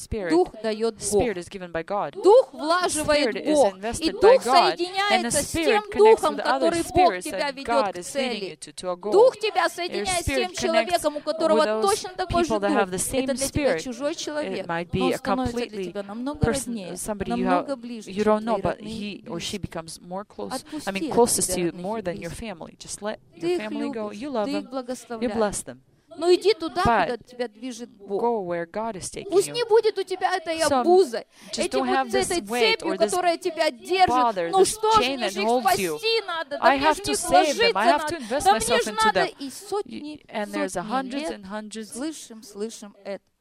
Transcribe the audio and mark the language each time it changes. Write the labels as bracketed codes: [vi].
[ru] Дух дает Бог. Дух влаживает Бог. И дух соединяется с тем духом, который Бог тебя ведет к цели. Дух тебя соединяет с тем человеком, у которого точно такой же дух. Это для тебя чужой человек. Но он становится для тебя намного роднее, намного ближе, чем твои родные. [en] But he or she becomes more close. I mean, closest to you more than your family. Just let your family go. You love them. You bless them. [ru] Но иди туда, куда тебя движет Бог. [en] Go where God is taking you. [ru] Пусть не будет у тебя этой обузой, этой цепью, которая тебя держит. Ну что ж, мне же их спасти надо, да мне же их вложиться надо, да мне же надо. И сотни, сотни лет слышим, слышим это.